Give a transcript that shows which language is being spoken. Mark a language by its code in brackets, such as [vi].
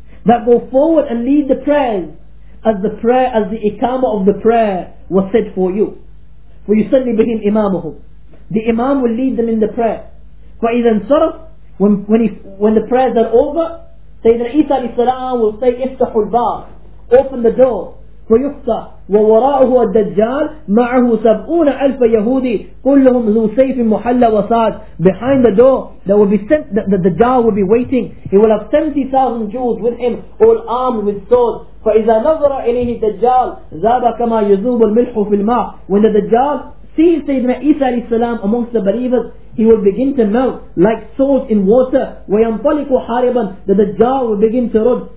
[en] That go forward and lead the prayers as the ikama of the prayer was said for you. [ar] فَيُسَلِّي بِهِمْ إِمَامُهُمْ. [en] The Imam will lead them in the prayer. [ar] فَإِذَا انْصَرَفْ, [en] when the prayers are over, Sayyidina Isa alayhi salam will say, [ar] اِفْتَحُ الْبَابَ, [en] open the door. [ar] فَيُفْتَحْ ووراءه الدجال معه سبعون ألف يهودي كلهم ذو سيف محلى وصاد. [en] Behind the door there will be the Dajjal will be waiting. He will have 70,000 Jews with him, all armed with swords. [ar] فإذا نظر إليه الدجال ذاب كما يذوب الملح في الماء. [en] When the Dajjal sees Sayyidina Isa alayhi salam amongst the believers, he will begin to melt like salt in water. [ar] وَيَنْطَلِقُ حَارِبًا, [en] the Dajjal will begin to run.